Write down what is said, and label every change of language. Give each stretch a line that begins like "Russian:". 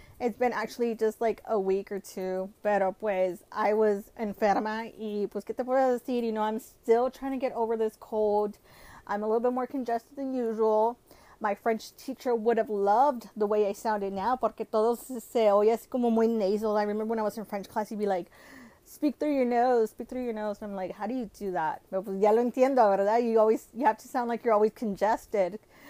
English: It's been actually just like a week or two.
Spanish: Pero pues,
English: I was
Spanish: enferma y pues, ¿qué te puedo decir?
English: You know, I'm still trying to get over this cold. I'm a little bit more congested than usual. My French teacher would have loved the way I sounded now,
Spanish: porque todo se oye así como muy nasal.
English: I remember when I was in French class, he'd be like, speak through your nose, speak through your nose. And I'm like, how do you do that?
Spanish: Pues ya lo entiendo, ¿verdad?
English: You have to sound like you're always congested.